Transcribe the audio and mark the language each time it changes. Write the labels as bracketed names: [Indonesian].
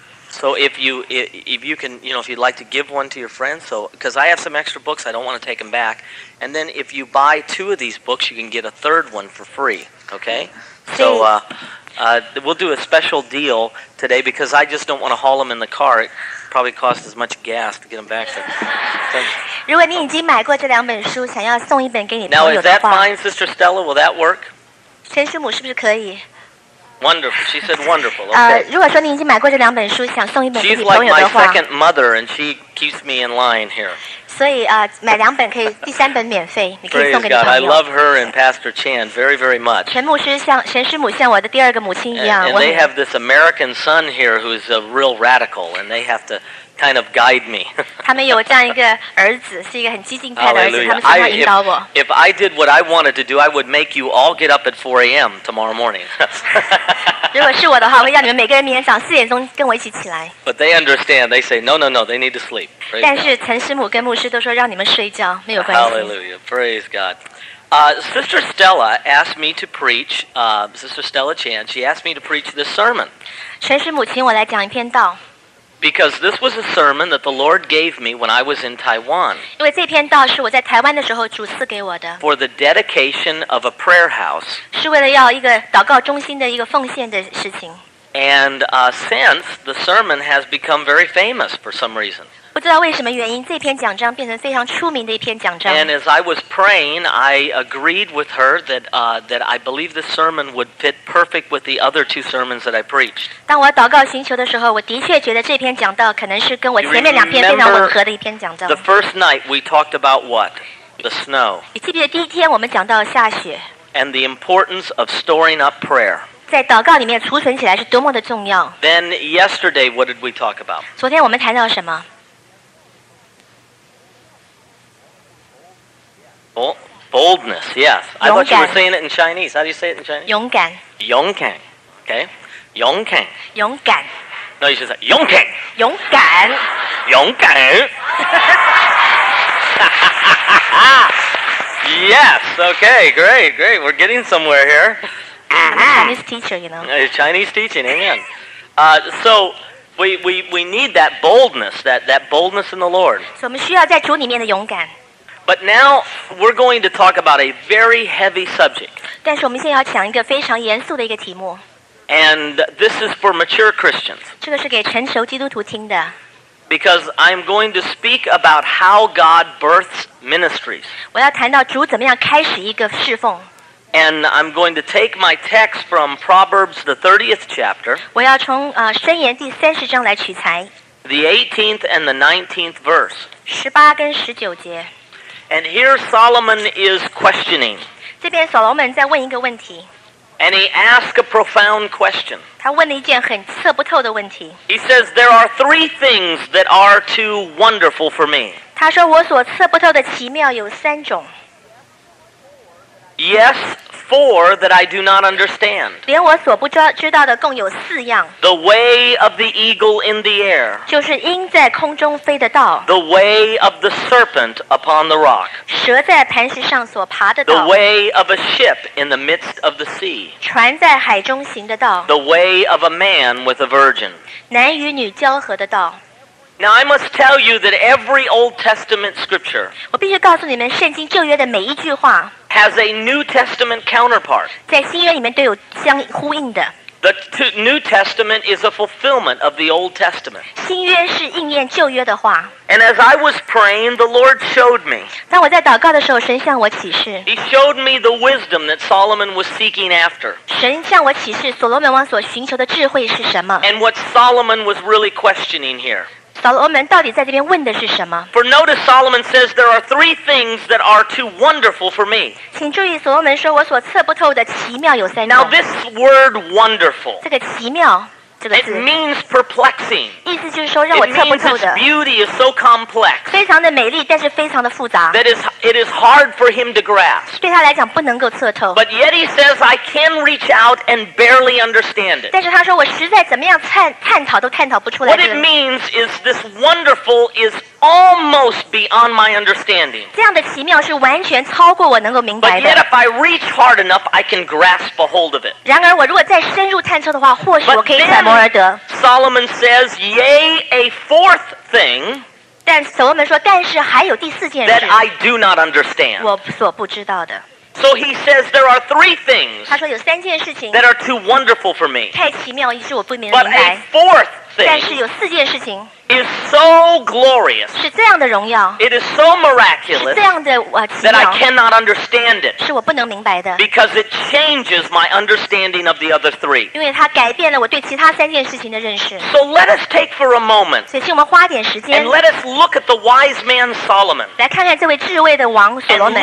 [English] So if you can, you know, if you'd like to give one to your friend, so, because I have some extra books, I don't want to take them back. And then if you buy two of these books, you can get a third one for free, okay? So we'll do a special deal today because I just don't want to haul them in the car. It probably costs as much gas to get them back there. Thank you. [Chinese] 如果你已经买过这两本书，想要送一本给你朋友的话。 [English] Now is that fine, Sister Stella? Will that work? [Chinese] 陈师母是不是可以 [English] ？Wonderful. She said wonderful. Okay. [Chinese] 如果说你已经买过这两本书，想送一本给你朋友的话。 [English] She's like my second mother, and she keeps me in line here. [Chinese] 所以买两本可以，第三本免费，你可以送给你朋友。 [English] Praise God! I love her and Pastor Chan very, very much. [Chinese] 陈师母像我的第二个母亲一样。 [English] And they have this American son here who is a real radical, and they have to. Kind of guide me. [Chinese] 他们有这样一个儿子，是一个很激进派的儿子，他们经常引导我。 [English] If I did what I wanted to do, I would make you all get up at 4 a.m. tomorrow morning. [Chinese] 如果是我的话，我会让你们每个人明天早上4点钟跟我一起起来。 [English] But they understand. They say, no, no, no. They need to sleep. [Chinese] 但是陈师母跟牧师都说让你们睡觉，没有关系。 [English] Hallelujah. Praise God. Sister Stella asked me to preach. Sister Stella Chan. She asked me to preach this sermon. [Chinese] 陈师母请我来讲一篇道。 [English] Because this was a sermon that the Lord gave me when I was in Taiwan. [Chinese] 因为这篇道是我在台湾的时候主赐给我的。 [English] For the dedication of a prayer house. [Chinese] 是为了要一个祷告中心的一个奉献的事情。 [English] And since the sermon has become very famous for some reason. [Chinese] 不知道为什么原因，这篇讲章变成非常出名的一篇讲章。 [English] And as I was praying, I agreed with her that that I believe the sermon would fit perfect with the other two sermons that I preached. [Chinese] 当我祷告寻求的时候，我的确觉得这篇讲道可能是跟我前面两篇非常吻合的一篇讲章。 [English] The first night we talked about what? The snow. [Chinese] 你记不记得第一天我们讲到下雪 [English] ？And the importance of storing up prayer. [Chinese] 在祷告里面储存起来是多么的重要。 [English] Then yesterday, what did we talk about? [Chinese] 昨天我们谈到什么 [English] ？Boldness, yes. I thought you were saying it in Chinese. How do you say it in Chinese? [Chinese] 勇敢。勇敢 ，okay. 勇敢。勇敢。 [English] No, you should say [Chinese] 勇敢。勇敢。勇敢。 [English] Yes. Okay. Great. Great. We're getting somewhere here. Chinese teacher, you know. Chinese teaching, amen. So we need that boldness, that boldness in the Lord. [Chinese] So 我们需要在主里面的勇敢。 [English] But now we're going to talk about a very heavy subject. [Chinese] 但是我们现在要讲一个非常严肃的一个题目。 [English] And this is for mature Christians. [Chinese] 这个是给成熟基督徒听的。 [English] Because I'm going to speak about how God births ministries. [Chinese] 我要谈到主怎么样开始一个侍奉。 [English] And I'm going to take my text from Proverbs, the 30th chapter. [Chinese] 我要从箴言第三十章来取材。 [English] The 18th and the 19th verse. [Chinese] 十八跟十九节。 [English] And here Solomon is questioning. [Chinese] 这边所罗门在问一个问题。 [English] And he asks a profound question. [Chinese] 他问了一件很测不透的问题。 [English] He says, there are three things that are too wonderful for me. [Chinese] 他说我所测不透的奇妙有三种。 [English] Yes, four that I do not understand. [Chinese] 连我所不知道的共有四样。 [English] The way of the eagle in the air. [Chinese] 就是鹰在空中飞的道。 [English] The way of the serpent upon the rock. [Chinese] 蛇在磐石上所爬的道。 [English] The way of a ship in the midst of the sea. [Chinese] 船在海中行的道。 [English] The way of a man with a virgin. [Chinese] 男与女交合的道。 [English] Now I must tell you that every Old Testament scripture [Chinese] 我必须告诉你们圣经旧约的每一句话 [English] has a New Testament counterpart [Chinese] 在新约里面都有相呼应的 [English] The New Testament is a fulfillment of the Old Testament [Chinese] 新约是应验旧约的话 [English] And as I was praying, the Lord showed me [Chinese] 当我在祷告的时候神向我启示 [English] He showed me the wisdom that Solomon was seeking after [Chinese] 神向我启示所罗门王所寻求的智慧是什么 [English] And what Solomon was really questioning here For notice, Solomon says there are three things that are too wonderful for me. [Chinese] 请注意，所罗门说我所测不透的奇妙有三种。 [English] Now this word wonderful. [Chinese] 这个奇妙这个字。 [English] It means perplexing. [Chinese] 意思就是说让我测不透的。 [English] It means beauty is so complex. [Chinese] 非常的美丽，但是非常的复杂。 [English] That is, it is hard for him to grasp. [Chinese] 对他来讲不能够测透。 [English] But yet he says I can reach out and barely understand it. [Chinese] 但是他说我实在怎么样探讨都探讨不出来。 [English] What it means is this wonderful is almost beyond my understanding. [Chinese] 这样的奇妙是完全超过我能够明白的。 [English] But yet if I reach hard enough, I can grasp a hold of it. [Chinese] 然而我如果再深入探测的话，或许我可以揣摩而得。 [English] Solomon says, yea, a fourth thing. [Chinese] 但所罗门说，但是还有第四件事。 [English] That I do not understand. [Chinese] 我所不知道的。 [English] So he says there are three things. [Chinese] 他说有三件事情。 [English] That are too wonderful for me. [Chinese] 太奇妙，以致我不明白。 [English] But a fourth thing. [Chinese] 但是有四件事情。 [English] Is so glorious. [Chinese] 是这样的荣耀。 [English] It is so miraculous. [Chinese] 是这样的奇妙。 [English] That I cannot understand it. [Chinese] 是我不能明白的。 [English] Because it changes my understanding of the other three. [Chinese] 因为它改变了我对其他三件事情的认识。 [English] So let us take for a moment. [Chinese] 所以请我们花点时间。 [English] And let us look at the wise man Solomon. [Chinese] 来看看这位智慧的王所罗门。